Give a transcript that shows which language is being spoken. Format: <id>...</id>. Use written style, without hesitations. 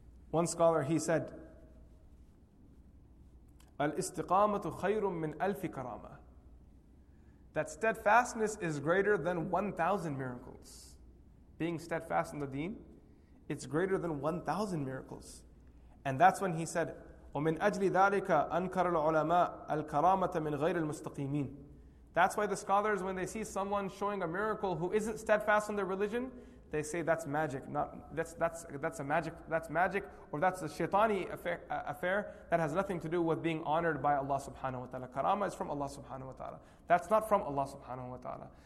<en>One scholar, he said,</en> <ar>Al-istiqamatu khayrun min alfi karama.</ar> <en>That steadfastness is greater than 1,000 miracles. Being steadfast in the deen, it's greater than 1,000 miracles. And that's when he said,</en> <ar>وَمِنْ أَجْلِ ذَٰلِكَ أَنْكَرَ الْعُلَمَاءَ الْكَرَامَةَ مِنْ غَيْرِ الْمُسْتَقِيمِينَ.</ar> <en>That's why the scholars, when they see someone showing a miracle who isn't steadfast in their religion, they say that's magic. That's magic, or that's a shaitani affair that has nothing to do with being honored by Allah subhanahu wa ta'ala. Karama is from Allah subhanahu wa ta'ala. That's not from Allah subhanahu wa ta'ala.</en>